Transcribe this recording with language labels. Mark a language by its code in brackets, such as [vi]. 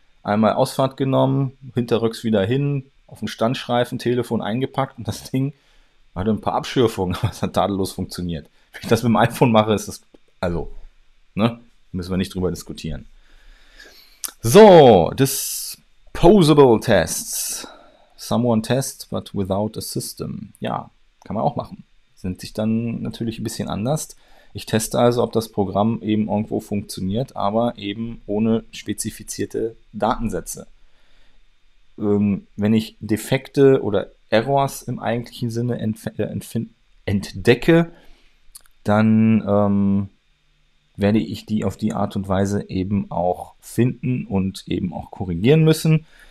[de] Einmal Ausfahrt genommen, hinterrücks wieder hin, auf dem Standstreifen, Telefon eingepackt und das Ding hatte ein paar Abschürfungen, aber es hat tadellos funktioniert. Wenn ich das mit dem iPhone mache, ist das. Also, ne? Müssen wir nicht drüber diskutieren. So, Disposable Tests. [en] Someone tests, but without a system. [de] Ja, kann man auch machen. Sind sich dann natürlich ein bisschen anders. Ich teste also, ob das Programm eben irgendwo funktioniert, aber eben ohne spezifizierte Datensätze. Wenn ich Defekte oder Errors im eigentlichen Sinne entdecke, dann werde ich die auf die Art und Weise eben auch finden und eben auch korrigieren müssen.